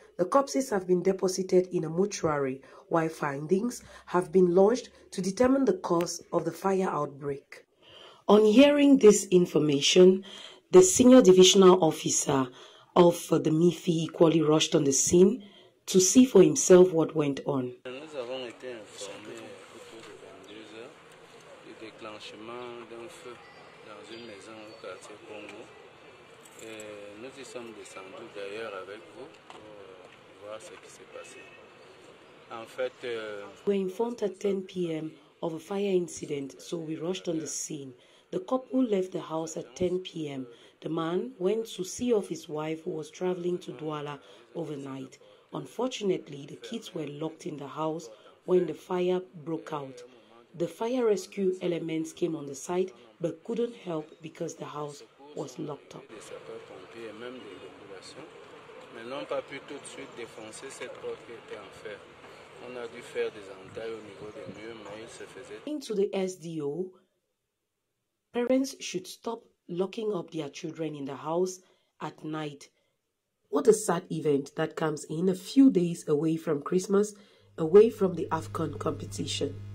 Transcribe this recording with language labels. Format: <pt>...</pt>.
<en>The corpses have been deposited in a mortuary, while findings have been launched to determine the cause of the fire outbreak. On hearing this information, the senior divisional officer of the MIFI equally rushed on the scene to see for himself what went on.</en> <fr>Nous avons été informés autour de 22 heures du déclenchement d'un feu dans une maison au quartier Congo. Et nous y sommes descendus d'ailleurs avec vous pour voir ce qui s'est passé. En fait,</fr> <en>we were informed at 10 p.m. of a fire incident, so we rushed on the scene. The couple left the house at 10 p.m. The man went to see off his wife who was traveling to Douala overnight. Unfortunately, the kids were locked in the house when the fire broke out. The fire rescue elements came on the site but couldn't help because the house was locked up.</en> <fr>Les sapeurs-pompiers et même les populations, mais n'ont pas pu tout de suite défoncer cette porte qui était en fer. On a dû faire des entailles au niveau des murs, mais il se faisait.</fr> <en>Into the SDO, parents should stop locking up their children in the house at night. What a sad event that comes in a few days away from Christmas, away from the AFCON competition.</en>